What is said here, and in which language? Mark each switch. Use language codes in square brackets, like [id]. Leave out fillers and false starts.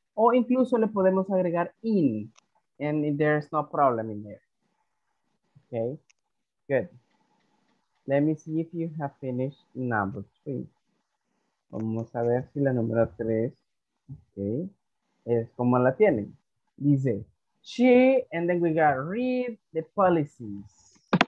[es] O incluso le podemos agregar [en] in, and there's no problem in there. Okay, good. Let me see if you have finished number three. [es] Vamos a ver si la número tres, okay, es como la tienen. [en] Dice, she, and then we got read the policies.